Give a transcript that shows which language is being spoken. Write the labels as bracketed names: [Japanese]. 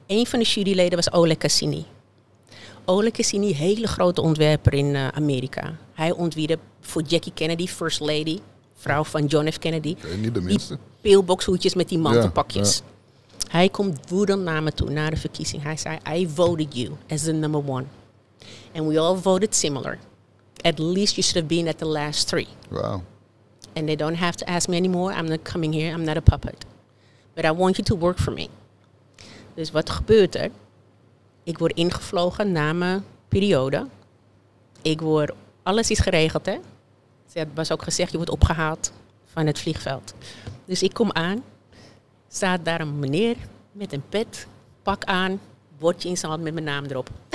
[Dutch] Een van de juryleden was Ole Cassini. Ole Cassini, hele grote ontwerper in Amerika. Hij ontwierp voor Jackie Kennedy, First Lady. Vrouw van John F. Kennedy. Nee, niet de minste. Die pilboxhoedjes met die mantelpakjes. Ja, ja. Hij komt woedend naar me toe, naar de verkiezing. Hij zei, [English] I voted you as the number one. And we all voted similar. At least you should have been at the last 3. Wow. And they don't have to ask me anymore. I'm not coming here. I'm not a puppet. But I want you to work for me. [Dutch] Dus wat gebeurt er? Ik word ingevlogen na mijn periode. Alles is geregeld, hè. Het was ook gezegd, je wordt opgehaald van het vliegveld. Dus ik kom aan, staat daar een meneer met een pet, pak aan, bordje in zijn hand met mijn naam erop.